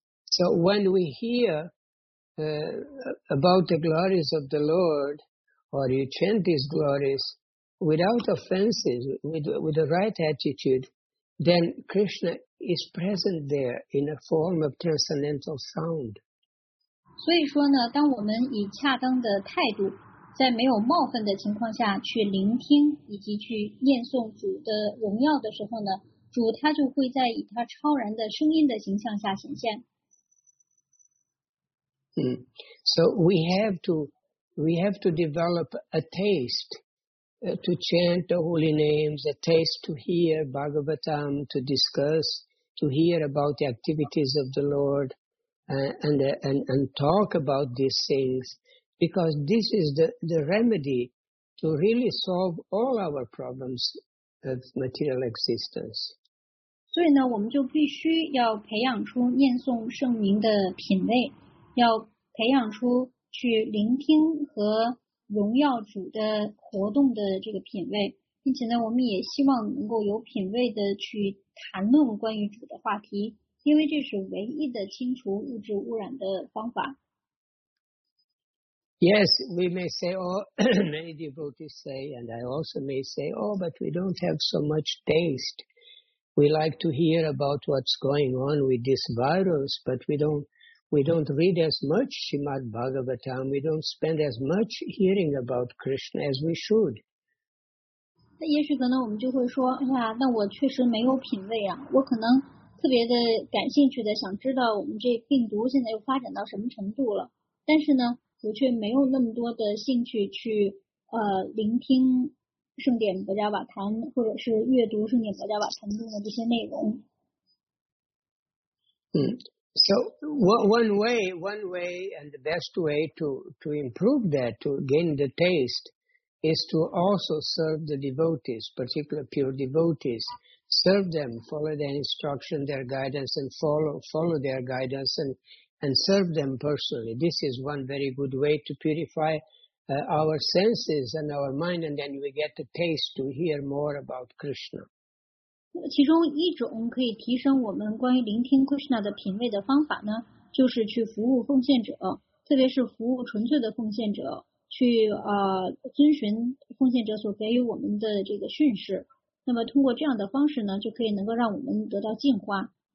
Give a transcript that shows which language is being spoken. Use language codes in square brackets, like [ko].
[en] So when we hear about the glories of the Lord, or you chant these glories without offenses, with the right attitude, then Krishna is present there in a form of transcendental sound. [zh] 所以说呢，当我们以恰当的态度，在没有冒犯的情况下去聆听以及去念诵主的荣耀的时候呢，主他就会在以他超然的声音的形象下显现。 [en] So we have to develop a taste to chant the holy names, a taste to hear Bhagavatam, to discuss, to hear about the activities of the Lord, and talk about these things. Because this is the remedy to really solve all our problems of material existence. [zh] 所以呢，我们就必须要培养出念诵圣名的品味，要培养出去聆听和荣耀主的活动的这个品味，并且呢，我们也希望能够有品味的去谈论关于主的话题，因为这是唯一的清除物质污染的方法。 [en] Yes, we may say, many devotees say, and I also may say, but we don't have so much taste. We like to hear about what's going on with this virus, but we don't read as much Srimad Bhagavatam. We don't spend as much hearing about Krishna as we should. [zh] 那也许可能我们就会说，哎呀，那我确实没有品味啊，我可能特别的感兴趣的想知道我们这病毒现在又发展到什么程度了，但是呢。我却没有那么多的兴趣去聆听圣典薄伽瓦坛，或者是阅读圣典薄伽瓦坛中的这些内容。 [en] So one way and the best way to improve that, to gain the taste, is to also serve the devotees, particularly pure devotees. Serve them, follow their instruction, their guidance, and follow their guidance and serve them personally. This is one very good way to purify our senses and our mind, and then we get the taste to hear more about Krishna. [zh] 其中一种可以提升我们关于聆听 Krishna 的品味的方法呢，就是去服务奉献者，特别是服务纯粹的奉献者，去遵循奉献者所给予我们的这个训示。那么通过这样的方式呢，就可以能够让我们得到进化。